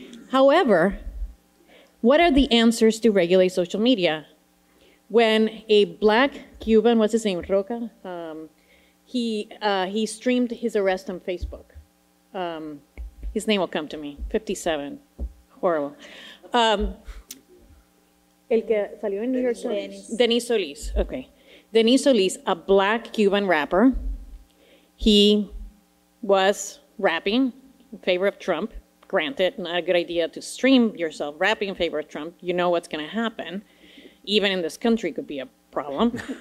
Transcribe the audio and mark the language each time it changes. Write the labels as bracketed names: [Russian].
[English] However, what are the answers to regulate social media? when a black Cuban, what's his name, Roca, he streamed his arrest on Facebook. His name will come to me, 57, horrible. [Spanish] El que salió en New York Times. [English] Denis Solis, okay. Denis Solis, a black Cuban rapper, he was rapping in favor of Trump. Granted, not a good idea to stream yourself rapping in favor of Trump. You know what's gonna happen. Even in this country could be a problem.